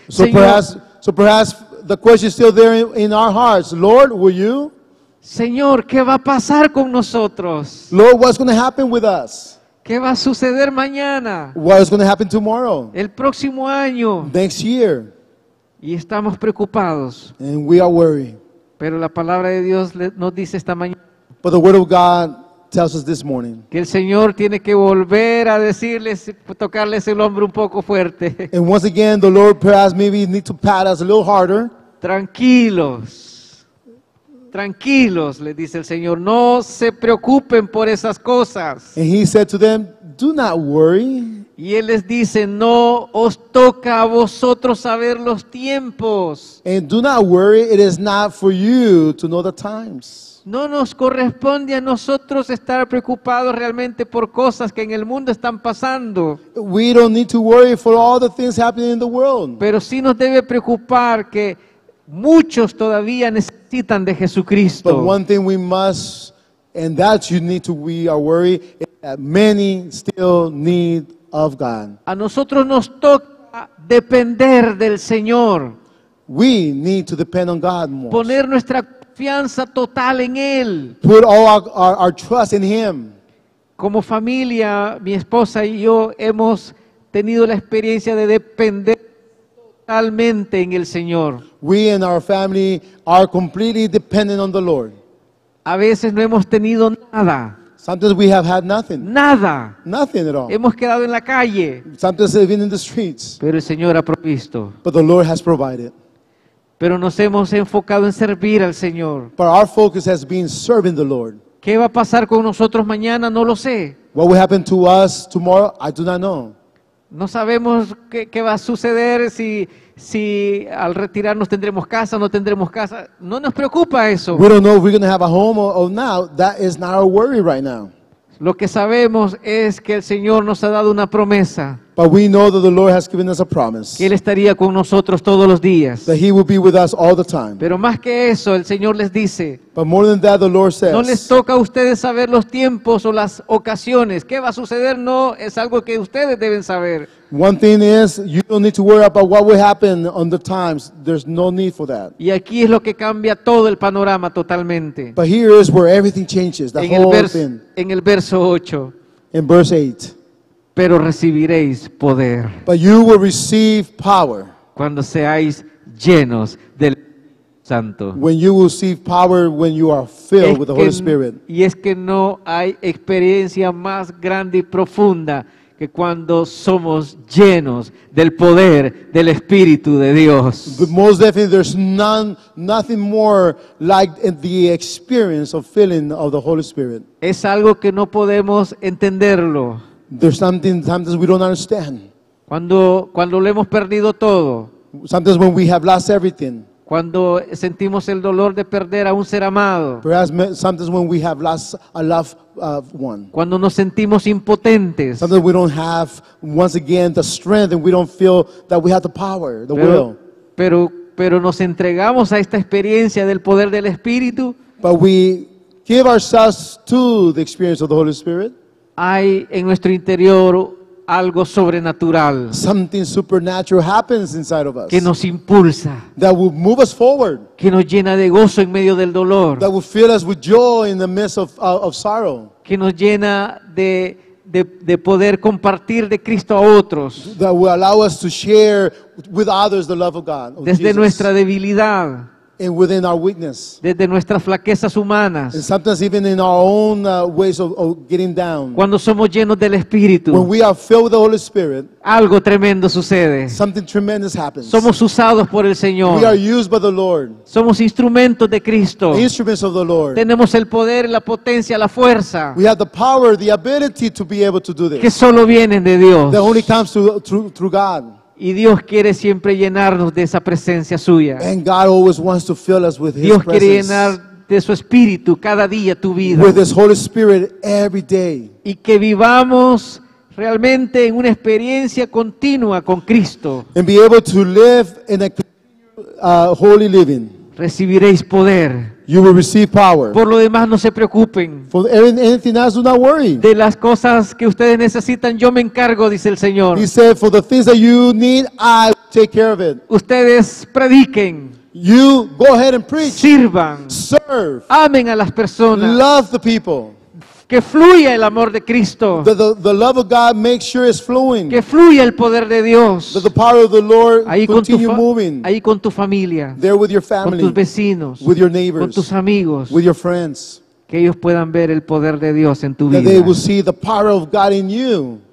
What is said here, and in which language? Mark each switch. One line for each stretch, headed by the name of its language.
English: So perhaps the question is still there in our hearts. Lord, will you?
Spanish: Señor, ¿qué va a pasar con nosotros?
English: Lord, what's going to happen with us?
Spanish: ¿Qué va a suceder mañana?
English: What is going to happen tomorrow?
Spanish: El próximo año.
English: Next year.
Spanish: Y estamos preocupados.
English: And we are worried.
Spanish: Pero la palabra de Dios nos dice esta mañana.
English: But the word of God tells us this morning.
Spanish: Que el Señor tiene que volver a decirles, tocarles el hombro un poco fuerte.
English: And once again, the Lord perhaps maybe need to pat us a little harder.
Spanish: Tranquilos. Tranquilos, le dice el Señor, no se preocupen por esas cosas.
English: And He said to them, do not worry.
Spanish: Y Él les dice, no os toca a vosotros saber los tiempos.
English: And do not worry, it is not for you to know the times.
Spanish: No nos corresponde a nosotros estar preocupados realmente por cosas que en el mundo están pasando.
English: We don't need to worry for all the things happening in the world.
Spanish: Pero sí nos debe preocupar que muchos todavía necesitan de Jesucristo.
English: But one thing we must, and that you need to be worried, is that many still need of God.
Spanish: A nosotros nos toca depender del Señor.
English: We need to depend on God more.
Spanish: Poner nuestra confianza total en Él.
English: Put all our trust in Him.
Spanish: Como familia, mi esposa y yo hemos tenido la experiencia de depender totalmente en el Señor.
English: We and our family are completely dependent on the Lord.
Spanish: A veces no hemos tenido nada.
English: Sometimes we have had nothing.
Spanish: Nada.
English: Nothing at all.
Spanish: Hemos quedado en la calle.
English: Sometimes even in the streets.
Spanish: Pero el Señor ha provisto.
English: But the Lord has provided.
Spanish: Pero nos hemos enfocado en servir al Señor.
English: But our focus has been serving the Lord.
Spanish: ¿Qué va a pasar con nosotros mañana? No lo sé.
English: What will happen to us tomorrow? I do not know.
Spanish: No sabemos qué va a suceder, si al retirarnos tendremos casa, no tendremos casa. No nos preocupa eso.
English: We don't know if we're going to have a home or not. That is not our worry right now.
Spanish: Lo que sabemos es que el Señor nos ha dado una promesa.
English: But we know that the Lord has given us a promise.
Spanish: Que Él estaría con nosotros todos los días.
English: That He will be with us all the time.
Spanish: Pero más que eso, el Señor les dice.
English: But more than that, the Lord says.
Spanish: No les toca a ustedes saber los tiempos o las ocasiones. ¿Qué va a suceder? No, es algo que ustedes deben saber.
English: One thing is, you don't need to worry about what will happen on the times. There's no need for that.
Spanish: Y aquí es lo que cambia todo el panorama totalmente.
English: But here is where everything changes, the whole thing.
Spanish: En el verso 8.
English: In verse 8.
Spanish: Pero recibiréis poder.
English: But you will receive power.
Spanish: Cuando seáis llenos del Santo.
English: When you will receive power when you are filled with the Holy Spirit.
Spanish: Y es que no hay experiencia más grande y profunda que cuando somos llenos del poder del Espíritu de Dios.
English: But most definitely, there's nothing more like the experience of filling of the Holy Spirit.
Spanish: Es algo que no podemos entenderlo.
English: There's something sometimes we don't understand.
Spanish: Cuando lo hemos perdido todo.
English: Sometimes when we have lost everything.
Spanish: Cuando sentimos el dolor de perder a un ser amado.
English: Perhaps sometimes when we have lost a loved one.
Spanish: Cuando nos sentimos impotentes.
English: Sometimes we don't have, once again, the strength, and we don't feel that we have the power, the will.
Spanish: Pero nos entregamos a esta experiencia del poder del Espíritu.
English: But we give ourselves to the experience of the Holy Spirit.
Spanish: Hay en nuestro interior algo sobrenatural.
English: Something supernatural happens inside of us.
Spanish: Que nos impulsa.
English: That will move us forward.
Spanish: Que nos llena de gozo en medio del dolor.
English: That will fill us with joy in the midst of sorrow.
Spanish: Que nos llena de poder compartir de Cristo a otros.
English: That will allow us to share with others the love of God.
Spanish: Desde
English: Jesus.
Spanish: Nuestra debilidad.
English: And within our weakness.
Spanish: Desde nuestras flaquezas humanas.
English: And sometimes even in our own ways of getting down.
Spanish: Cuando somos llenos del Espíritu.
English: When we are filled with the Holy Spirit.
Spanish: Algo tremendo sucede.
English: Something tremendous happens.
Spanish: Somos usados por el Señor.
English: We are used by the Lord.
Spanish: Somos instrumentos de Cristo.
English: Instruments of the Lord.
Spanish: Tenemos el poder, la potencia, la fuerza.
English: We have the power, the ability to be able to do this.
Spanish: Que solo vienen de Dios.
English: That only comes through God.
Spanish: Y Dios quiere siempre llenarnos de esa presencia suya.
English: And God always wants to fill us with His presence.
Spanish: Dios quiere
English: presence.
Spanish: Llenar de su Espíritu cada día tu vida.
English: With His Holy Spirit every day.
Spanish: Y que vivamos realmente en una experiencia continua con Cristo.
English: And be able to live in a holy living.
Spanish: Recibiréis poder.
English: You will receive power.
Spanish: Por lo demás, no se preocupen.
English: For anything else, do not worry.
Spanish: De las cosas que ustedes necesitan, yo me encargo, dice el Señor.
English: He said, for the things that you need, I take care of it.
Spanish: Ustedes prediquen.
English: You go ahead and preach.
Spanish: Sirvan.
English: Serve.
Spanish: Amen a las personas.
English: Love the people.
Spanish: Que fluya el amor de Cristo.
English: The love of God makes sure it's flowing.
Spanish: Que fluya el poder de Dios.
English: That the power of the Lord continue moving.
Spanish: Ahí con tu familia.
English: There with your family.
Spanish: Con tus vecinos.
English: With your neighbors.
Spanish: Con tus amigos.
English: With your friends.
Spanish: Que ellos puedan ver el poder de Dios en tu
English: that
Spanish: vida.
English: That they will see the power of God in you.